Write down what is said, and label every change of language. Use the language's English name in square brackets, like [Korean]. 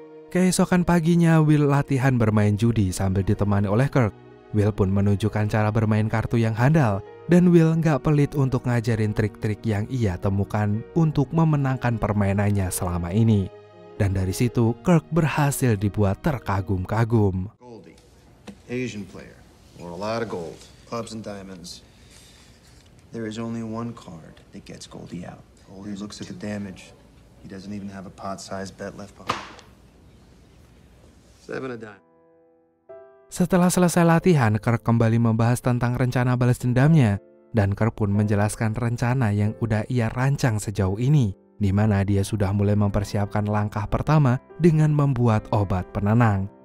[Indonesian] Keesokan paginya, Will latihan bermain judi sambil ditemani oleh Kirk. Will pun menunjukkan cara bermain kartu yang handal, dan Will nggak pelit untuk ngajarin trik-trik yang ia temukan untuk memenangkan permainannya selama ini. Dan dari situ, Kirk berhasil dibuat terkagum-kagum. [English] Goldie, Asian player, or a lot of gold, clubs and diamonds. There is only one card that gets Goldie out. Goldie looks at the damage. He doesn't even have a pot-sized bet left behind. [Indonesian] Setelah selesai latihan, Kirk kembali membahas tentang rencana balas dendamnya, dan Kirk pun menjelaskan rencana yang udah ia rancang sejauh ini, di mana dia sudah mulai mempersiapkan langkah pertama dengan membuat obat penenang.